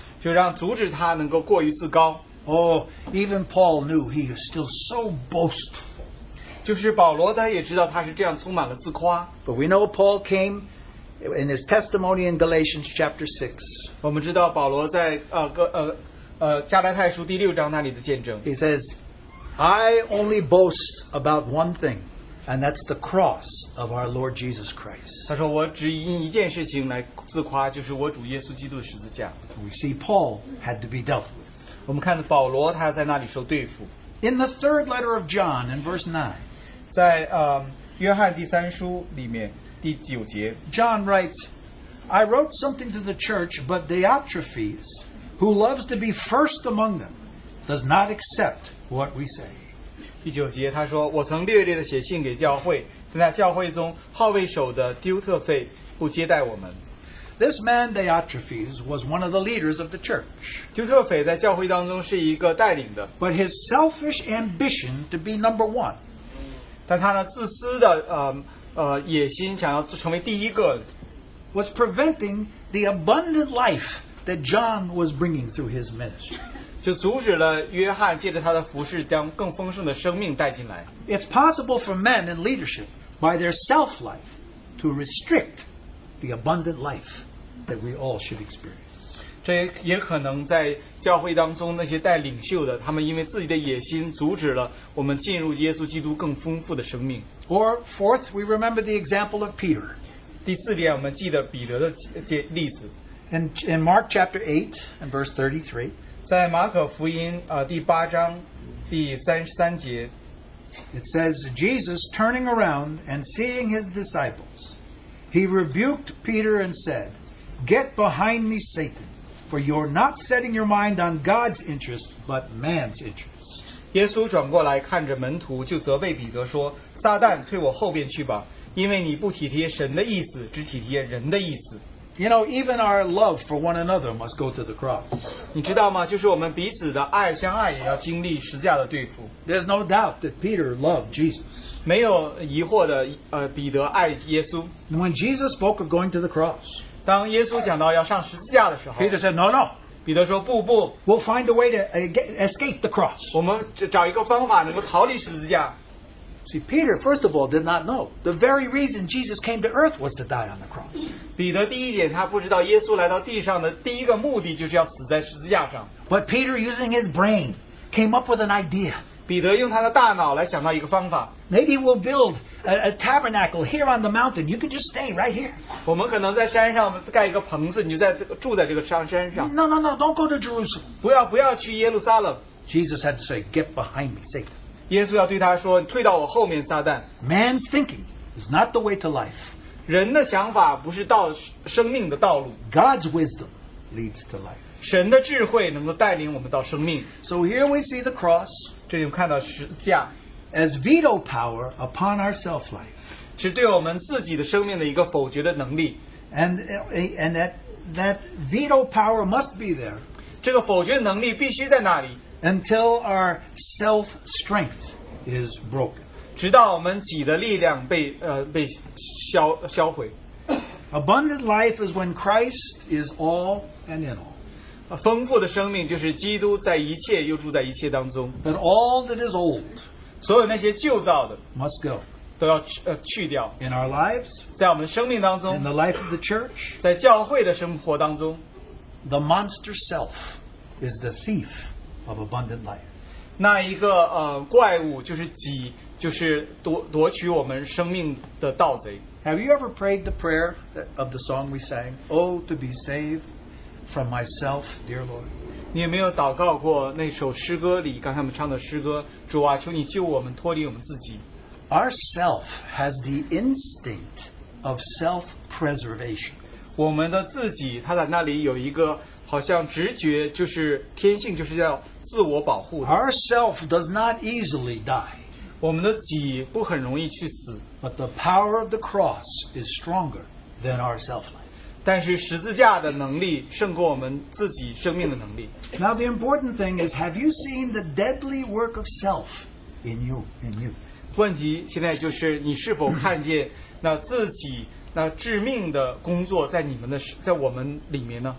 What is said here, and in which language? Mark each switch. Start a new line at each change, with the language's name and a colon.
Chinese: 就让阻止他能够过于自高。
English: Oh, even Paul knew he was still so boastful.
Chinese: 就是保罗他也知道他是这样充满了自夸,
English: but we know Paul came in his testimony in Galatians chapter 6.
Chinese: 我们知道保罗在, 加拉太书第六章那里的见证,
English: he says, I only boast about one thing, and that's the cross of our Lord Jesus Christ.
Chinese: 他说我只因一件事情来自夸,
English: we see Paul had to be dealt with.
Chinese: 我们看保罗他在那里受对付。
English: In the third letter of John, in verse 9,
Chinese: 在, 约翰第三书里面第九节,
English: John writes, I wrote something to the church, but Diotrephes, who loves to be first among them, does not accept what we say.
Chinese: 第九节他说, 我曾略略地写信给教会, 在那教会中好为首的丢特费不接待我们。
English: This man, Diotrephes, was one of the leaders of the church.
Chinese: 丢特斐在教会当中是一个带领的,
English: but his selfish ambition to be number one,
Chinese: 但他呢,自私的, 野心想要成为第一个,
English: was preventing the abundant life that John was bringing through his ministry. It's possible for men in leadership, by their self-life, to restrict the abundant life that we all should experience.
Chinese: 这也可能在教会当中那些带领袖的, 他们因为自己的野心阻止了我们进入耶稣基督更丰富的生命。
English: Or fourth, we remember the example of Peter.
Chinese: 第四点我们记得彼得的例子。
English: In Mark chapter 8 and verse 33,
Chinese: 在马可福音, 第八章第33节,
English: it says, Jesus turning around and seeing his disciples, he rebuked Peter and said, Get behind me, Satan, for you're not setting your mind on God's interest, but man's interest.
Chinese: 耶稣转过来看着门徒就责备彼得说, 撒旦退我后边去吧, 因为你不体贴神的意思, 只体贴人的意思。
English: You know, even our love for one another must go to the cross.
Chinese: 你知道吗? 就是我们彼此的爱相爱也要经历十字架的对付。
English: There's no doubt that Peter loved Jesus.
Chinese: 没有疑惑的, 彼得爱耶稣。
English: And when Jesus spoke of going to the cross,
Chinese: 当耶稣讲到要上十字架的时候,
English: Peter said, no, no.
Chinese: 彼得说不不,
English: we'll find a way to escape the cross.
Chinese: 我们找一个方法能够逃离十字架。
English: See, Peter, first of all, did not know the very reason Jesus came to earth was to die on the cross.
Chinese: 彼得第一点, 他不知道耶稣来到地上的第一个目的就是要死在十字架上。
English: But Peter, using his brain, came up with an idea. Maybe we'll build a tabernacle here on the mountain. You could just stay right here. No, don't go to Jerusalem. Jesus had to say, get behind me, Satan.
Chinese: 耶稣要对他说,退到我后面,撒旦。
English: Man's thinking is not the way to life.
Chinese: 人的想法不是生命的道路。
English: God's wisdom leads to life.
Chinese: 神的智慧能够带领我们到生命。
English: So here we see the cross.
Chinese: 这里我们看到十架,
English: as veto power upon our self-life.
Chinese: 是对我们自己的生命的一个否决的能力。
English: And that veto power must be there.
Chinese: 这个否决能力必须在那里。
English: Until our self strength is broken.
Chinese: 直到我们己的力量被消毁。
English: Abundant life is when Christ is all and in all.
Chinese: 丰富的生命就是基督在一切又住在一切当中。
English: But all that is old,
Chinese: 所有那些旧造的,
English: must go.
Chinese: 都要去掉。
English: In our lives,
Chinese: 在我们生命当中,
English: in the life of the church,
Chinese: 在教会的生活当中,
English: the monster self is the thief of abundant life.
Chinese: 那一个, 怪物就是己, 就是夺取我们生命的盗贼。
English: Have you ever prayed the prayer of the song we sang? Oh, to be saved from myself, dear Lord.
Chinese: 你有没有祷告过那首诗歌里刚才我们唱的诗歌, 主啊, 求你救我们脱离我们自己。
English: Our self has the instinct of self-preservation.
Chinese: 我们的自己, 它在那里有一个 好像直觉就是天性就是要自我保护的。
English: Our self does not easily die.
Chinese: 我们的己不很容易去死。
English: But the power of the cross is stronger than our self-life.
Chinese: 但是十字架的能力胜过我们自己生命的能力。
English: Now the important thing is, have you seen the deadly work of self in you? In you?
Chinese: 问题现在就是你是否看见那自己 那致命的工作在你们的在我们里面呢?